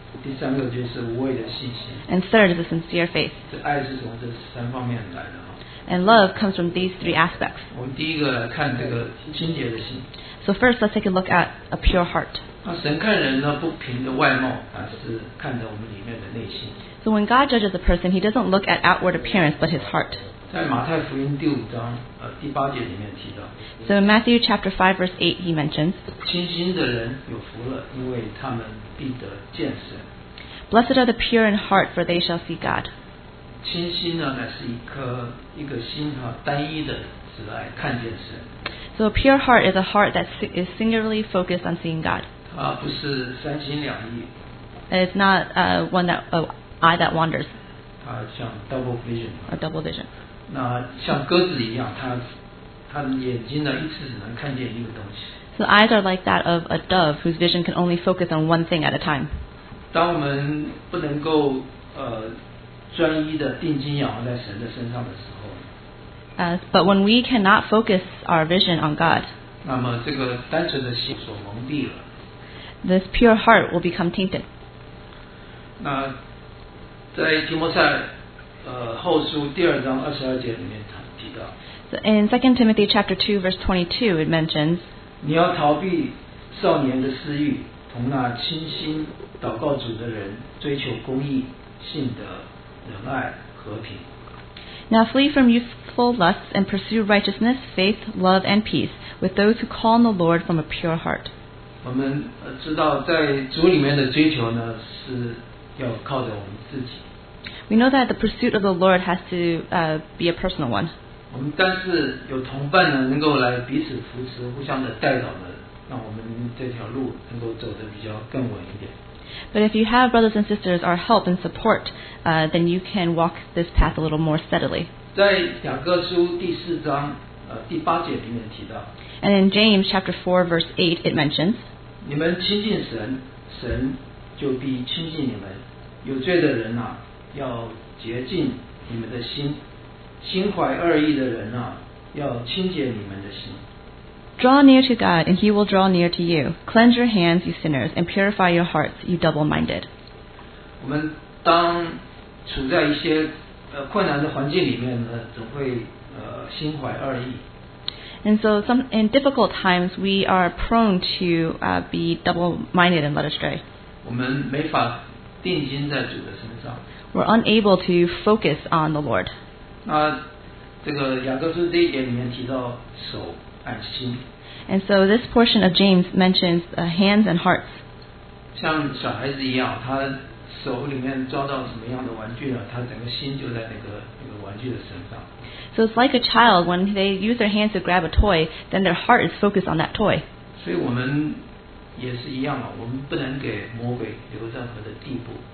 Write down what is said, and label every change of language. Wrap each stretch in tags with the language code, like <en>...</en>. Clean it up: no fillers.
<zh>第三个就是无畏的信心。</zh> <en>And third is a sincere faith.</en> <zh>这爱是从这三方面来的。</zh> <en>And love comes from these three aspects.</en> <zh>我们第一个来看这个清洁的心。</zh> <en>So first, let's take a look at a pure heart.</en> <zh>那神看人呢，不凭着外貌，而是看着我们里面的内心。</zh> <en>So when God judges a person, he doesn't look at outward appearance, but his heart.</en> <zh>在马太福音第五章第八节里面提到。</zh> <en>So in Matthew chapter 5 verse 8, he mentions,</en> <zh>清心的人有福了，因为他们必得见神。</zh> <en>Blessed are the pure in heart, for they shall see God.</en> <zh>清心呢，乃是一个心哈，单一的只来看见神。</zh> <en>So a pure heart is a heart that is singularly focused on seeing God.</en> <zh>它不是三心两意。</zh> <en>It's not one that eye that wanders.</en> <zh>它像</zh> <en>double vision. A double vision.</en> <zh>那像鸽子一样，它的眼睛呢，一次只能看见一个东西。</zh> <en>So eyes are like that of a dove whose vision can only focus on one thing at a time.</en> <zh>当我们不能够专一的定睛仰望在神的身上的时候</zh> <en>，But when we cannot focus our vision on God,</en> <zh>那么这个单纯的心所蒙蔽了。</zh> <en>This pure heart will become tainted.</en> <zh>那在提摩太。后书第二章二十二节里面提到。</zh> <en>So、in 2 Timothy chapter 2 verse 22 it mentions,</en> <zh>你要逃避少年的私欲，同那清心祷告主的人追求公义、信德、仁爱、和平。</zh> <en>Now flee from youthful lusts and pursue righteousness, faith, love, and peace with those who call on the Lord from a pure heart.</en> <zh>我们知道在主里面的追求呢，是要靠着我们自己。</zh> <en>We know that the pursuit of the Lord has to be a personal one.</en> <zh>我们但是有同伴呢，能够来彼此扶持，互相的带导呢，让我们这条路能够走得比较更稳一点。</zh> <en>But if you have brothers and sisters or help and support, then you can walk this path a little more steadily.</en> <zh>在雅各书第四章第八节里面提到。</zh> <en>And in James chapter 4 verse 8 it mentions,</en> <zh>你们亲近神，神就必亲近你们。有罪的人啊，要洁净你们的心。心怀恶意的人啊，要清洁你们的心。</zh> <en>Draw near to God, and He will draw near to you. Cleanse your hands, you sinners, and purify your hearts, you double-minded.</en> <zh>我们当处在一些困难的环境里面呢，总会心怀恶意。</zh> <en>And so, in difficult times, we are prone to be double-minded and led astray.</en> <zh>我们没法定睛在主的身上。</zh> <en>We're unable to focus on the Lord.</en> <zh>那这个雅各书第一节里面提到手。</zh> <en>And so this portion of James mentions hands and hearts.</en> <zh>像小孩子一样，他手里面抓到什么样的玩具呢？他整个心就在那个玩具的身上。</zh> <en>So it's like a child when they use their hands to grab a toy, then their heart is focused on that toy.</en> <zh>所以我们也是一样嘛，我们不能给魔鬼留任何的地步。</zh>